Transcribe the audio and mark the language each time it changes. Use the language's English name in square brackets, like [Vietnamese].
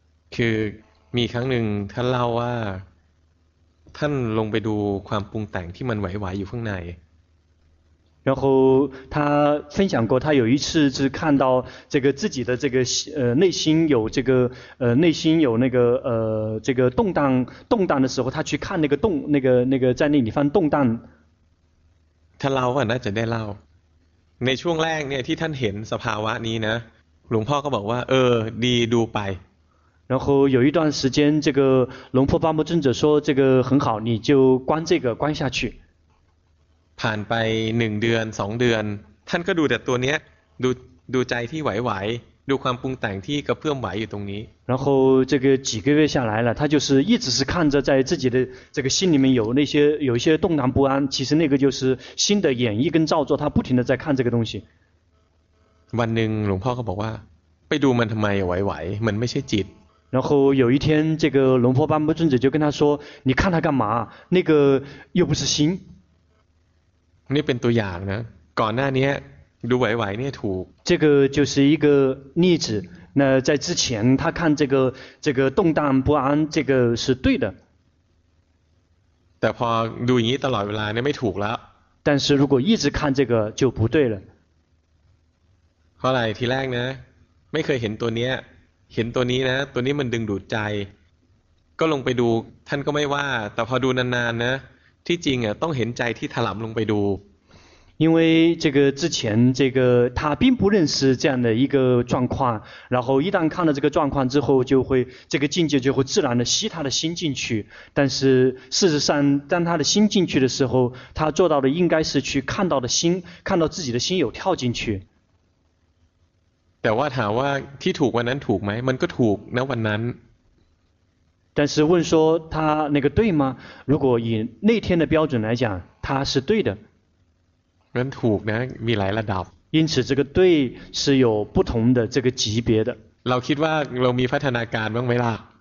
[Thai] คือมีครั้งหนึ่งท่านเล่าว่าท่านลงไปดูความปรุงแต่งที่มันไหวๆอยู่ข้างใน [Chinese] 然后他分享过，他有一次是看到这个自己的这个内心有这个内心有那个这个动荡的时候，他去看那个动那个在那里放动荡。 [Thai] 他เล่าว่าน่าจะได้เล่าในช่วงแรกเนี่ยที่ท่านเห็นสภาวะนี้นะหลวงพ่อก็บอกว่าเออดีดูไป [Chinese] 然后有一段时间，这个龙婆巴摩尊者说这个很好，你就关这个关下去。 [Thai] ผ่านไป1เดือน2เดือนท่านก็ดูแต่ตัวเนี้ยดูใจที่ไหวๆดูความปรุงแต่งที่กระเพื่อมไหวอยู่ตรงนี้ [Chinese] 然后这个几个月下来了他就是一直是看着在自己的这个心里面有那些有一些动荡不安其实那个就是心的演绎跟造作他不停的在看这个东西 [Thai] วันหนึ่งหลวงพ่อก็บอกว่าไปดูมันทำไมไหวๆมันไม่ใช่จิต [Chinese] 然后有一天这个龙婆巴摩尊者就跟他说你看他干嘛那个又不是心 [Thai] นี่เป็นตัวอย่างนะก่อนหน้านี้ดูไหวๆเนี่ยถูก [Chinese] 这个就是一个例子那在之前他看这个动荡不安这个是对的 [Thai] แต่พอดูอย่างนี้ตลอดเวลาเนี่ยไม่ถูกแล้ว [Chinese] 但是如果一直看这个就不对了 [Thai] เพราะอะไรทีแรกนะไม่เคยเห็นตัวเนี้ยเห็นตัวนี้นะตัวนี้มันดึงดูดใจก็ลงไปดูท่านก็ไม่ว่าแต่พอดูนานๆนะที่จริงอ่ะต้องเห็นใจที่ถลำลงไปดู [Chinese] 因为这个之前这个他并不认识这样的一个状况，然后一旦看了这个状况之后，就会这个境界就会自然的吸他的心进去。但是事实上，当他的心进去的时候，他做到的应该是去看到的心，看到自己的心有跳进去。 [Thai] แต่ว่าถามว่าที่ถูกวันนั้นถูกไหมมันก็ถูกนะวันนั้น [Chinese] 但是问说他那个对吗？如果以那天的标准来讲，他是对的。 [Thai] นั้นถูกนะมีหลายระดับ [Chinese] 因此这个对是有不同的这个级别的 [Thai] เราคิดว่าเรามีพัฒนาการบ้างไหมล่ะ